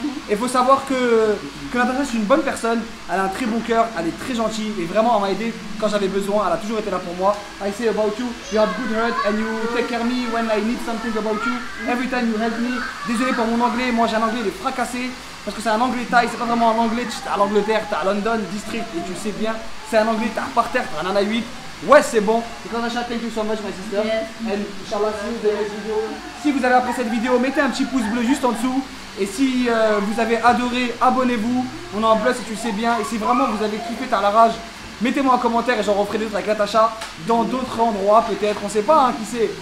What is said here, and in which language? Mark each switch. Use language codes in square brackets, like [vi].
[fr] Et faut savoir que Natacha c'est une bonne personne, elle a un très bon cœur, elle est très gentille et vraiment elle m'a aidé quand j'avais besoin, elle a toujours été là pour moi. [en] I say about you, you have good heart and you take care of me when I need something about you, every time you help me. [fr] Désolé pour mon anglais, moi j'ai un anglais, il est fracassé parce que c'est un anglais thaï, c'est pas vraiment un anglais, t'es à l'Angleterre, t'es à London, district et tu sais bien, c'est un anglais, t'es par terre, t'es un Nana 8. Ouais c'est bon. [en] Et Natacha, thank you so much my sister. Yes. And Inch'Allah, see you in the next video. [fr] Si vous avez apprécié cette vidéo, mettez un petit pouce bleu juste en dessous. Et si vous avez adoré, abonnez-vous. On est en bleu si tu le sais bien. Et si vraiment vous avez kiffé t'as la rage, mettez-moi un commentaire et j'en referai d'autres avec Natacha dans d'autres endroits peut-être. On sait pas hein, qui sait.